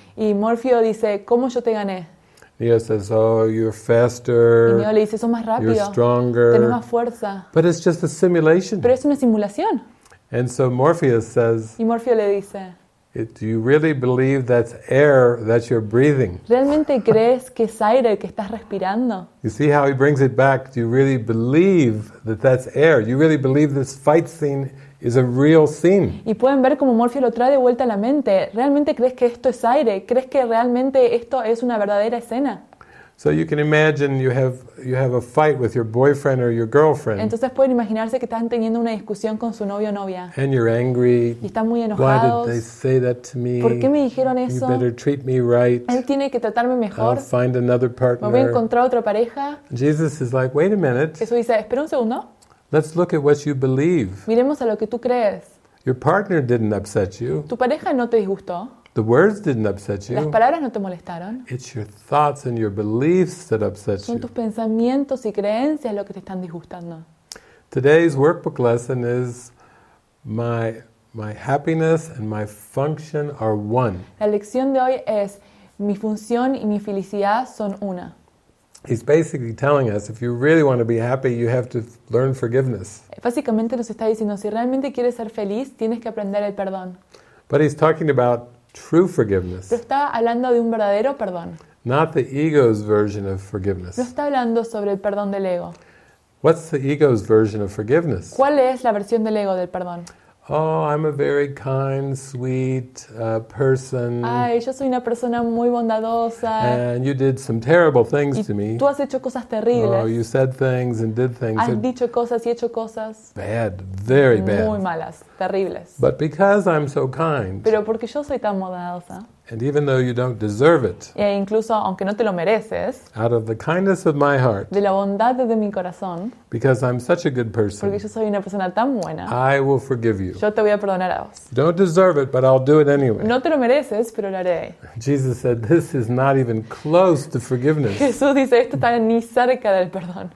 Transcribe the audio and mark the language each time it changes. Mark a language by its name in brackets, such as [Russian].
[Spanish] Y Morfeo dice, "¿Cómo yo te gané?" [English] Neo says, "Oh, you're faster." [Spanish] Y Neo le dice, "Sos más rápido." [English] "You're stronger." [Spanish] "Tenés más fuerza." [English] "But it's just a simulation." [Spanish] "Pero es una simulación." [English] And so Morpheus says, [Spanish] y Morfeo le dice, [English] "Do you really believe that's air that you're breathing?" [Spanish] ¿Realmente crees que es aire que estás respirando? [English] You see how he brings it back? Do you really believe that that's air? You really believe this fight scene is a real scene? [Spanish] Y pueden ver cómo Morfeo lo trae de vuelta a la mente. ¿Realmente crees que esto es aire? ¿Crees que realmente esto es una verdadera escena? [English] So you can imagine you have a fight with your boyfriend or your girlfriend. [Spanish] Entonces pueden imaginarse que están teniendo una discusión con su novio o novia. [English] And you're angry. [Spanish] Y están muy enojados. [English] Why did they say that to me? [Spanish] ¿Por qué me dijeron eso? [English] You better treat me right. [Spanish] Él tiene que tratarme mejor. [English] I'll find another partner. [Spanish] Me voy a encontrar otra pareja. [English] Jesus is like, wait a minute. [Spanish] Jesús dice, espera un segundo. [English] Let's look at what you believe. [Spanish] Miremos a lo que tú crees. [English] Your partner didn't upset you. [Spanish] Tu pareja no te disgustó. [English] The words didn't upset you. [Spanish] Las palabras no te molestaron. [English] It's your thoughts and your beliefs that upset you. [Spanish] Son tus pensamientos y creencias lo que te están disgustando. [English] Today's workbook lesson is my happiness and my function are one. [Spanish] La lección de hoy es mi función y mi felicidad son una. [English] He's basically telling us, if you really want to be happy, you have to learn forgiveness. [Spanish] Básicamente nos está diciendo, si realmente quieres ser feliz, tienes que aprender el perdón. [English] But he's talking about true forgiveness. [Spanish] Pero está hablando de un verdadero perdón. [English] Not the ego's version of forgiveness. [Spanish] No está hablando sobre el perdón del ego. [English] What's the ego's version of forgiveness? [Spanish] ¿Cuál es la versión del ego del perdón? [English] Oh, I'm a very kind, sweet person. [Spanish] Ay, yo soy una persona muy bondadosa. [English] And you did some terrible things to me. [Spanish] Y tú has hecho cosas terribles. [English] Oh, you said things and did things. [Spanish] Has dicho cosas y hecho cosas. [English] Bad, very bad. [Spanish] Muy malas, terribles. [English] But because I'm so kind. [Spanish] Pero porque yo soy tan bondadosa. [English] And even though you don't deserve it. [Spanish] E incluso aunque no te lo mereces. [English] Out of the kindness of my heart. [Spanish] De la bondad de mi corazón. [English] Because I'm such a good person. [Spanish] Porque yo soy una persona tan buena. [English] I will forgive you. [Spanish] Yo te voy a perdonar a vos. [English] You don't deserve it, but I'll do it anyway. [Spanish] No te lo mereces, pero lo haré. [English] Jesus said, this is not even close to forgiveness. [Spanish] Jesús dice, esto está ni cerca del perdón.